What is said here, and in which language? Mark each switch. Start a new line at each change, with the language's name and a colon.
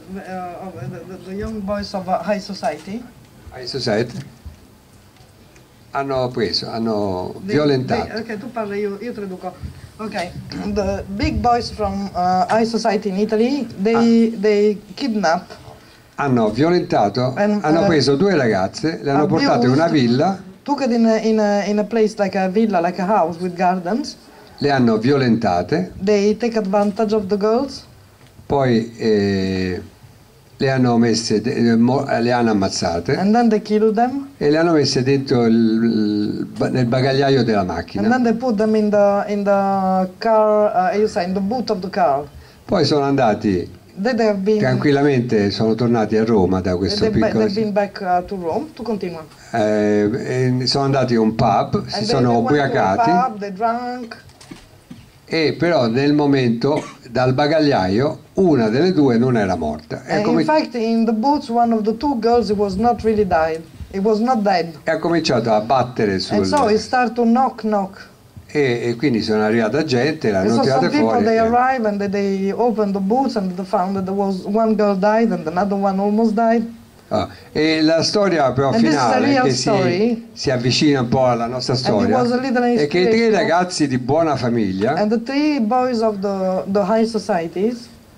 English: The young boys of high society. High society.
Italian: Hanno preso, hanno violentato. Okay, tu parli, io traduco.
English: Okay, the big boys from high society in Italy, they kidnap.
Italian: Hanno violentato, hanno preso due ragazze, le hanno portate in una villa.
English: Took it in a place like a villa, like a house with gardens.
Italian: Le hanno violentate.
English: They take advantage of the girls.
Italian: Poi le hanno messe, le hanno ammazzate.
English: And then they killed them.
Italian: E le hanno messe dentro nel bagagliaio della macchina.
English: And then they put them in the car, in the boot of the car.
Italian: Poi sono andati. Tranquillamente sono tornati a Roma da questo piccolo.
English: They've been back to Rome to continue.
Italian: Sono andati a un pub,
English: and
Italian: si sono ubriacati.
English: They drank.
Italian: E però nel momento dal bagagliaio una delle due non era morta.
English: In fact, in the boots, one of the two girls was not really dead. It was not dead.
Italian: E ha cominciato a battere sul.
English: And so it started to knock, knock.
Italian: E quindi sono arrivata gente, l'hanno tirata fuori.
English: So some people they arrived and they opened the boots and they found that there was one girl died and another one almost died.
Italian: Ah, e la storia però
English: and
Italian: finale che si avvicina un po' alla nostra storia è che i tre ragazzi di buona famiglia
English: and the three boys of the high societies,